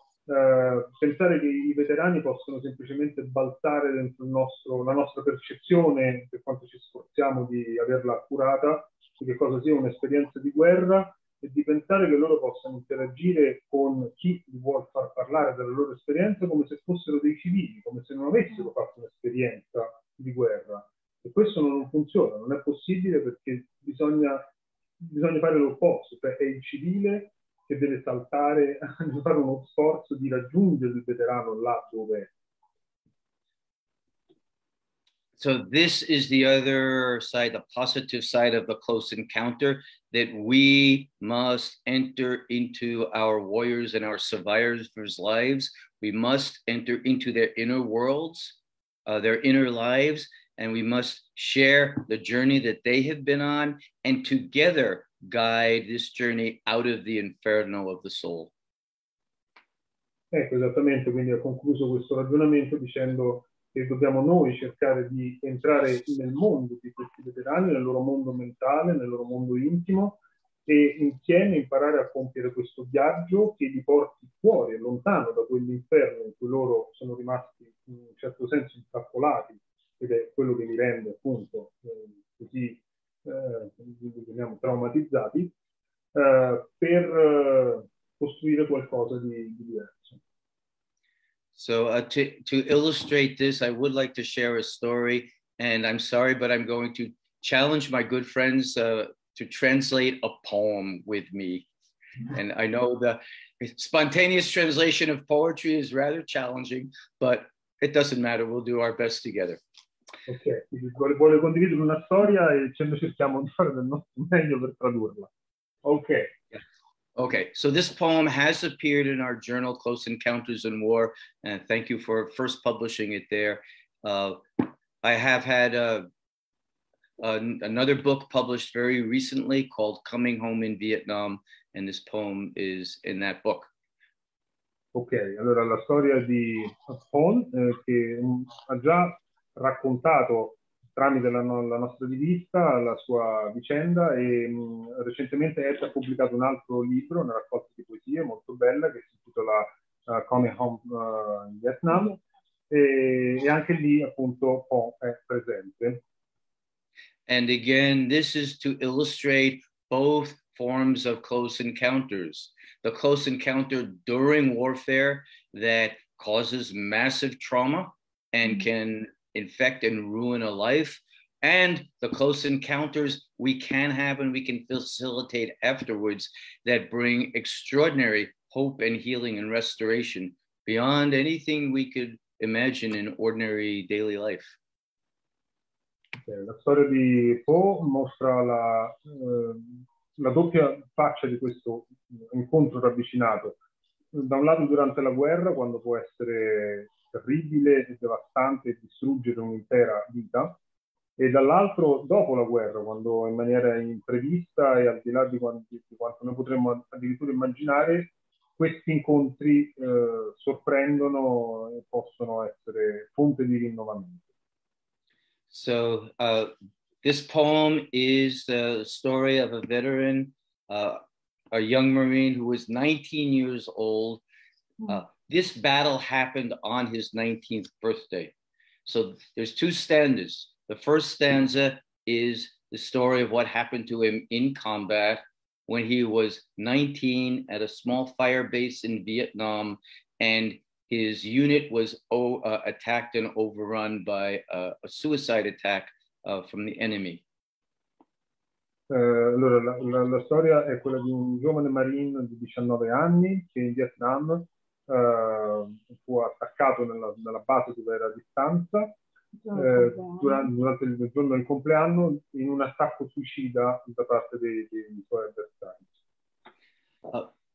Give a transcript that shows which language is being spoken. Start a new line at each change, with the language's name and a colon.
Italian: Pensare che i veterani possono semplicemente balzare dentro la nostra percezione, per quanto ci sforziamo di averla accurata, di che cosa sia un'esperienza di guerra, e di pensare che loro possano interagire con chi vuol far parlare della loro esperienza come se fossero dei civili, come se non avessero fatto un'esperienza di guerra. E questo non funziona, non è possibile perché bisogna fare l'opposto, cioè è il civile che deve saltare, fare uno sforzo di raggiungere il veterano là dove è.
English: So this is the other side, the positive side of the close encounter, that we must enter into our warriors' and our survivors' lives. We must enter into their inner worlds, their inner lives, and we must share the journey that they have been on and together guide this journey out of the inferno of the soul.
Italian: Ecco, esattamente, quindi ho concluso questo ragionamento dicendo che dobbiamo noi cercare di entrare nel mondo di questi veterani, nel loro mondo mentale, nel loro mondo intimo e insieme imparare a compiere questo viaggio che li porti fuori, lontano da quell'inferno in cui loro sono rimasti in un certo senso intrappolati, ed è quello che li rende appunto così, diciamo, traumatizzati, per costruire qualcosa di diverso.
English: So to illustrate this, I would like to share a story, and I'm sorry, but I'm going to challenge my good friends to translate a poem with me. And I know the spontaneous translation of poetry is rather challenging, but it doesn't matter. We'll do our best together.
Italian: Ok, vuole condividere una storia e ce ne cerchiamo di fare del nostro meglio per tradurla. Ok.
English: Okay, so this poem has appeared in our journal, Close Encounters in War, and thank you for first publishing it there. I have had another book published very recently called Coming Home in Vietnam, and this poem is in that book.
Italian: Ok, allora la storia di Paul, che ha già raccontato tramite la nostra rivista la sua vicenda e recentemente ha pubblicato un altro libro, una raccolta di poesie molto bella che si intitola Coming Home in Vietnam e anche lì appunto Paul è presente.
English: And again, this is to illustrate both forms of close encounters. The close encounter during warfare that causes massive trauma and can infect and ruin a life, and the close encounters we can have and we can facilitate afterwards that bring extraordinary hope and healing and restoration beyond anything we could imagine in ordinary daily life.
Italian: La storia di Po mostra la doppia faccia di questo incontro ravvicinato. Da un lato durante la guerra, quando può essere terribile e devastante distruggere un'intera vita, e dall'altro dopo la guerra, quando in maniera imprevista e al di là di quanto noi potremmo addirittura immaginare, questi incontri sorprendono e possono essere fonte di rinnovamento.
English: So this poem is the story of a veteran, a young Marine who was 19 years old. This battle happened on his 19th birthday. So there's two stanzas. The first stanza is the story of what happened to him in combat when he was 19 at a small fire base in Vietnam, and his unit was attacked and overrun by a suicide attack from the enemy.
Italian: Allora, la storia è quella di un giovane marine di 19 anni che in Vietnam fu attaccato nella base dove era a distanza durante il giorno del compleanno in un attacco suicida da parte dei suoi avversari.